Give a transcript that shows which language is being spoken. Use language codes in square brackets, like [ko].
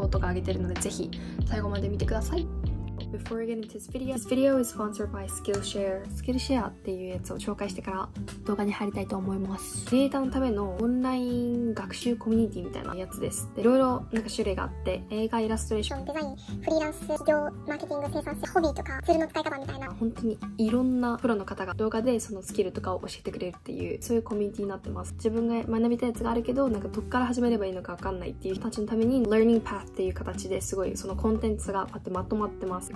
[ja] 前回あげた韓国Vlogに引き続き今日は第2弾ということで、はい、動画を持ってきました。大学のちょっと期末試験があって、この2週間ずっと期末の勉強したり、レポートと戦ってました。ということで、今のね、韓国Vlogみたいな。編集したらちょっと長くなっちゃったんですけど、いろんな情報とかあげてるので、ぜひ最後まで見てください。 [en] Before we get into this video is sponsored by Skillshare. [ja] Skillshare っていうやつを紹介してから動画に入りたいと思います。クリエイターのためのオンライン学習コミュニティみたいなやつです。で、いろいろなんか種類があって、映画イラストレーション、デザイン、フリーランス、企業、マーケティング、生産性、ホビーとか、ツールの使い方みたいな。本当にいろんなプロの方が動画でそのスキルとかを教えてくれるっていう、そういうコミュニティになってます。自分が学びたやつがあるけど、なんかどっから始めればいいのかわかんないっていう人たちのために、Learning Path っていう形ですごいそのコンテンツがこうやってまとまってます。